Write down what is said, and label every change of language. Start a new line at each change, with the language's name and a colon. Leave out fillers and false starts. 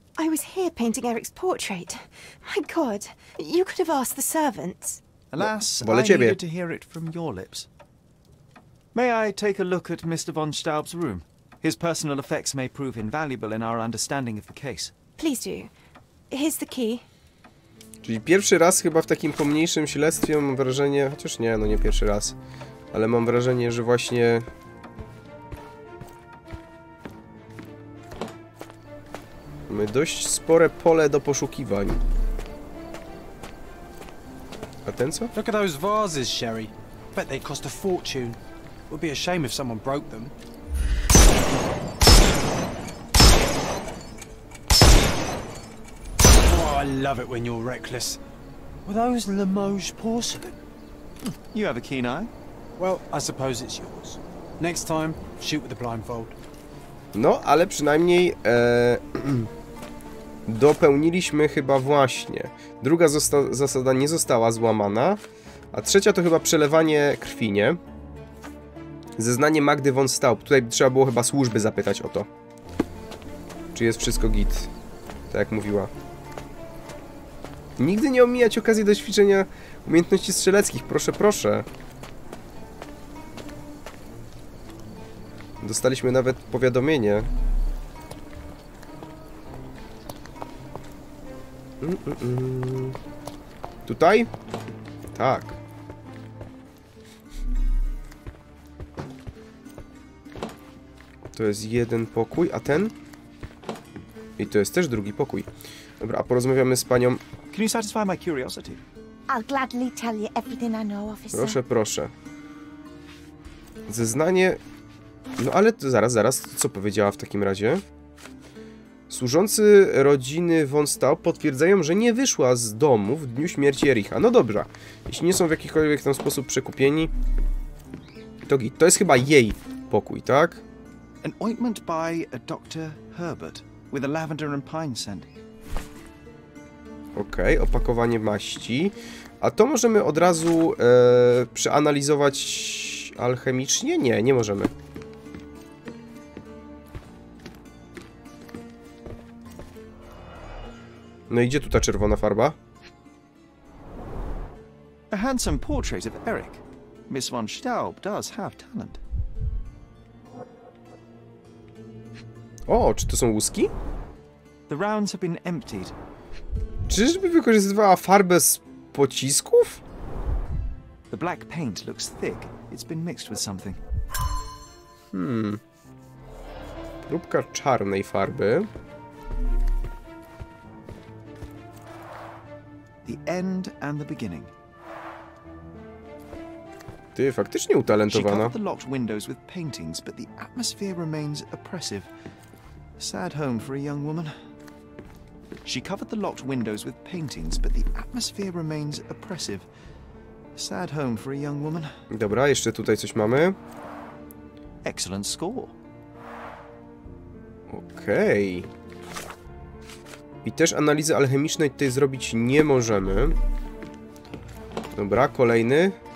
English: I was here painting Eric's portrait. My God, you could have asked the servants. Alas, I needed to hear it from your lips. May I take a look at Mr. von Staub's room? His personal effects may prove invaluable in our understanding of the case. Please do. Here's the key.
Polish: Czyli pierwszy raz chyba w takim pomniejszym śledztwie mam wrażenie, chociaż nie, no nie pierwszy raz, ale mam wrażenie, że właśnie... mamy dość spore pole do poszukiwań. A ten co?
English: Look at those vases, Sherry. Bet they cost a fortune. Would be a shame if someone broke them. Oh, I love it when you're reckless. Were those Limoges porcelain? You have a keen eye. Well, I suppose it's yours. Next time, shoot with a blindfold.
Polish: No, ale przynajmniej dopełniliśmy chyba właśnie. Druga zasada nie została złamana, a trzecia to chyba przelewanie krwi, nie? Zeznanie Magdy von Staub. Tutaj trzeba było chyba służby zapytać o to. Czy jest wszystko git? Tak jak mówiła. Nigdy nie omijać okazji do ćwiczenia umiejętności strzeleckich. Proszę, proszę. Dostaliśmy nawet powiadomienie. Tutaj? Tak. To jest jeden pokój, a ten? I to jest też drugi pokój. Dobra, a porozmawiamy z panią.
English: Can you satisfy my curiosity? I'll gladly tell you everything I know, officer.
Polish: Proszę, proszę. Zeznanie. No ale to zaraz, zaraz, co powiedziała w takim razie? Służący rodziny von Staub potwierdzają, że nie wyszła z domu w dniu śmierci Ericha. No dobrze, jeśli nie są w jakikolwiek tam sposób przekupieni, to git. To jest chyba jej pokój, tak?
English: An ointment by a Dr. Herbert with a lavender and pine scent.
Polish: Okej, okay, opakowanie maści. A to możemy od razu przeanalizować alchemicznie? Nie, nie możemy. No idzie tu ta czerwona farba.
English: A handsome portrait of Eric. Miss von Staub does have talent.
Polish: O, czy to są łuski?
English: The rounds have been emptied.
Polish: Czyżby wykorzystywała farbę z pocisków?
English: The black paint looks thick. It's been mixed with something.
Polish: Próbka czarnej farby.
English: The end and the beginning.
Polish: Ty, faktycznie utalentowana.
English: She covered the locked windows with paintings, but the atmosphere remains oppressive. Sad home for a young woman. She covered the locked windows with paintings, but the atmosphere remains oppressive. Sad home for a young woman.
Polish: Dobra, jeszcze tutaj coś mamy.
English: Excellent score.
Polish: Okej. I też analizy alchemicznej tutaj zrobić nie możemy. Dobra, kolejny.